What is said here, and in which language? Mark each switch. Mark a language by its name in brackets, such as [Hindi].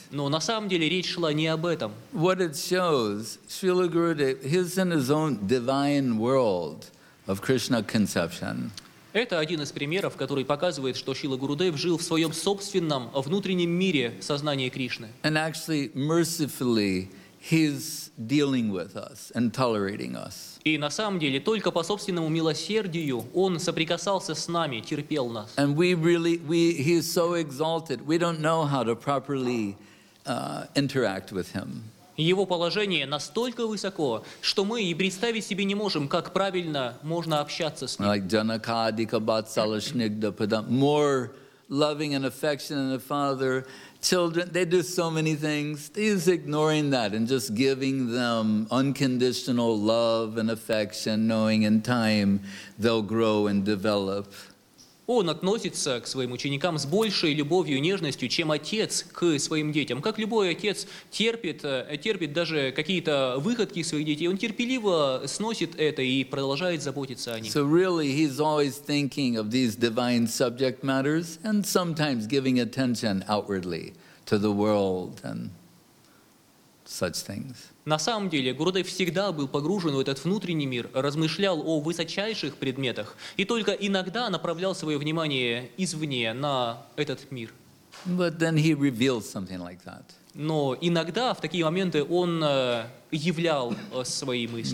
[Russian] Но на самом деле речь шла не об этом. [English] What it shows, Srila Gurudev, he's in his own divine world. Of Krishna conception. [Russian] Это один из примеров, который показывает, что Шрила Гурудев жил в своем собственном внутреннем мире сознания Кришны. [English] And actually, mercifully, he's dealing with us and tolerating us. [Russian] И на самом деле только по собственному милосердию он соприкасался с нами, терпел нас. [English] And he is so exalted. We don't know how to properly interact with him. [Russian] Его положение настолько высоко, что мы и представить себе не можем, как правильно можно общаться с ним. [English] Like [Sanskrit] Janaka Adika Batsala Shnigda Padam, [English] more loving and affectionate than a father, children, they do so many things. He's ignoring that and just giving them unconditional love and affection, knowing in time they'll grow and develop. [Russian] Он относится к своим ученикам с большей любовью и нежностью, чем отец к своим детям. Как любой отец терпит даже какие-то выходки своих детей, он терпеливо сносит это и продолжает заботиться о них. [English] So really, he's always thinking of these divine subject matters and sometimes giving attention outwardly to the world and such things. [Russian] На самом деле, Гурудев всегда был погружен в этот внутренний мир, размышлял о высочайших предметах и только иногда направлял свое внимание извне на этот мир. [English] But then he revealed something like that. [Russian] Но иногда в такие моменты он являл свои мысли.